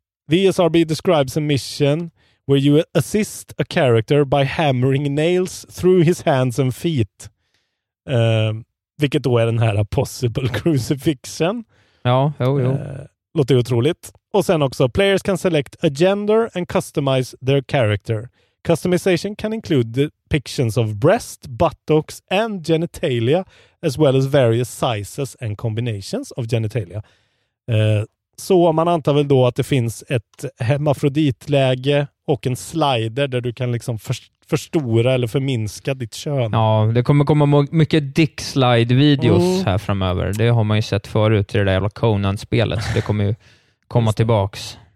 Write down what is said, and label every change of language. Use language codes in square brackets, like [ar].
[en] The ESRB describes a mission where you assist a character by hammering nails through his hands and feet. [sv] Vilket då är den här [en] possible crucifixion. [sv] Ja, jo, jo. Låter otroligt. Och sen också, [en] players can select a gender and customize their character. Customization can include depictions of breast, buttocks and genitalia as well as various sizes and combinations of genitalia. [sv] Så man antar väl då att det finns ett hermafroditläge och en slider där du kan liksom förstora eller förminska ditt kön. Ja, det kommer komma mycket [en] dick slide videos [sv] här framöver. Det har man ju sett förut i det där jävla Conan-spelet, så det kommer ju komma tillbaks.